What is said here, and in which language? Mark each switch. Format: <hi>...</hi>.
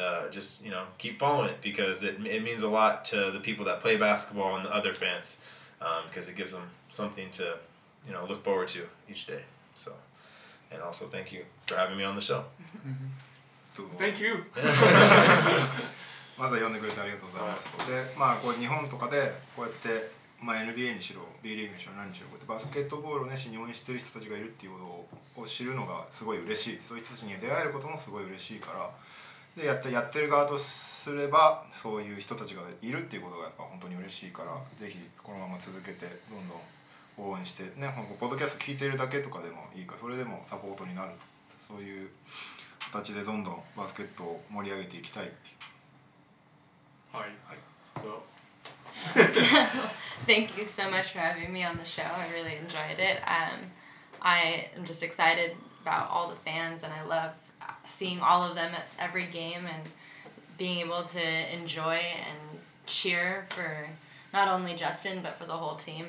<en>Just, you know, keep following it, because it means a lot to the people that play basketball and the other fans, because it gives them something to, you know, look forward to each day. So, and also thank you for having me on the show. Thank you.</en> <ja>まず読んでくれてありがとうございます。で、まあ、こう日本とかでこうやって、まあ、NBA にしろ B リーグにしろ何にしろ、こうやってバスケットボールを熱心に応援している人たちがいるっていうことを知るのがすごい嬉しい。そういう人たちに出会えることもすごい嬉しいから、でやってる側とすれば、そういう人たちがいるっていうことがやっぱ本当に嬉しいから、ぜひこのまま続けてどんどん応援してね、ポッドキャスト聞いてるだけとかでもいいか、それでもサポートになると、そういう形でどんどんバスケットを盛り上げていきたいっていう。はい、はい、そう。</ja> <en>Thank you so much for having me on the show. I really enjoyed it. I am just excited about all the fans, and I love seeing all of them at every game and being able to enjoy and cheer for not only Justin but for the whole team.</en>